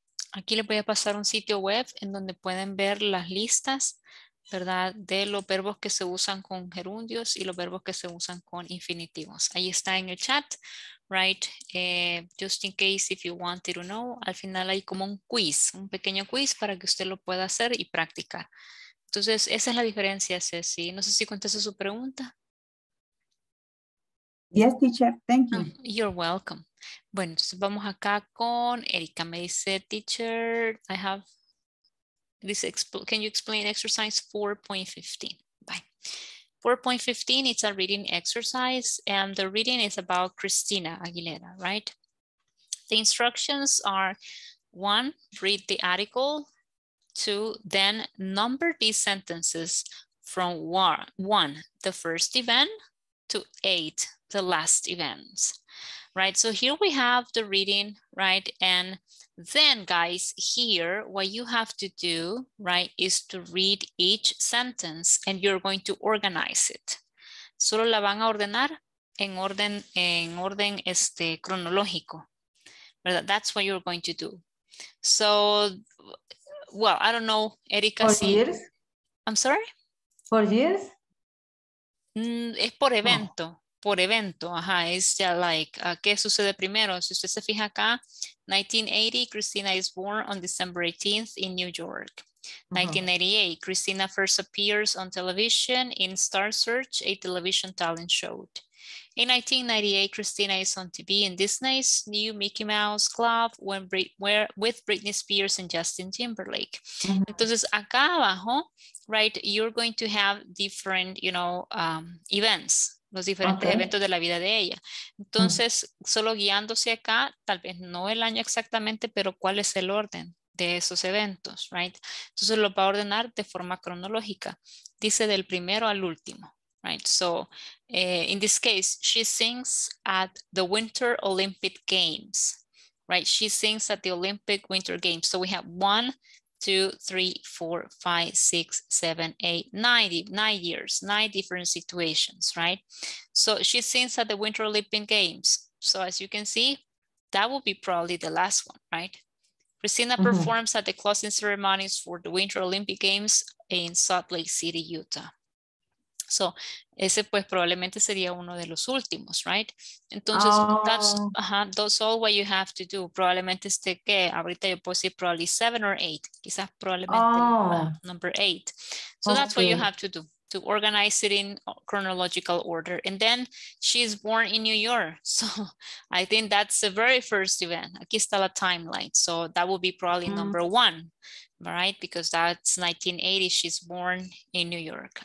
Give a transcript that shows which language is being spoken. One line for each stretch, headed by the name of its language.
Spanish: Aquí les voy a pasar un sitio web en donde pueden ver las listas, ¿verdad? De los verbos que se usan con gerundios y los verbos que se usan con infinitivos. Ahí está en el chat, right?
English: Just in case if you wanted to know.
Spanish: Al final hay como un quiz, un pequeño quiz para que usted lo pueda hacer y practicar. Entonces, esa es la diferencia, Ceci. No sé si contesto su pregunta.
English: Yes, teacher. Thank you. Oh, you're welcome.
Spanish: Bueno, entonces vamos acá con Erika. Me dice,
English: teacher, I have this, can you explain exercise 4.15? Bye. 4.15, it's a reading exercise, and the reading is about Christina Aguilera, right? The instructions are, one, read the article, two, then number these sentences from one, the first event, to eight, the last events. Right, so here we have the reading, right? And then guys, here, what you have to do, right, is to read each sentence and you're going to organize it.
Spanish: Solo la van a ordenar en orden cronológico, ¿verdad?
English: That's what you're going to do. So, well, I don't know, Erika. For years? I'm sorry? For years?
Spanish: Es por evento. Oh. Por evento, ajá, es ya like, ¿qué sucede primero? Si usted se fija acá,
English: 1980, Christina is born on December 18th in New York. Uh-huh. 1988, Christina first appears on television in Star Search, a television talent show. In 1998, Christina is on TV in Disney's new Mickey Mouse Club with Britney Spears and Justin Timberlake. Uh-huh.
Spanish: Entonces, acá abajo,
English: right, you're going to have different, you know, events.
Spanish: Los diferentes okay. eventos de la vida de ella. Entonces, uh-huh. solo guiándose acá, tal vez no el año exactamente, pero cuál es el orden de esos eventos, right? Entonces lo va a ordenar de forma cronológica. Dice del primero al último, right?
English: So, in this case, she sings at the Winter Olympic Games, right? She sings at the Olympic Winter Games. So we have 1, 2, 3, 4, 5, 6, 7, 8, 9 years, 9 different situations, right? So she sings at the Winter Olympic Games. So as you can see, that will be probably the last one, right? Christina performs at the closing ceremonies for the Winter Olympic Games in Salt Lake City, Utah.
Spanish: So, ese pues probablemente sería uno de los últimos, right? Entonces,
English: that's all what you have to do.
Spanish: Probablemente este que, ahorita yo puedo decir
English: probably 7 or 8.
Spanish: Quizás probablemente
English: number 8. So, okay. That's what you have to do, to organize it in chronological order. And then, she's born in New York. So, I think that's the very first event.
Spanish: Aquí está la timeline.
English: So, that would be probably number 1. Right, because that's 1980, she's born in New York.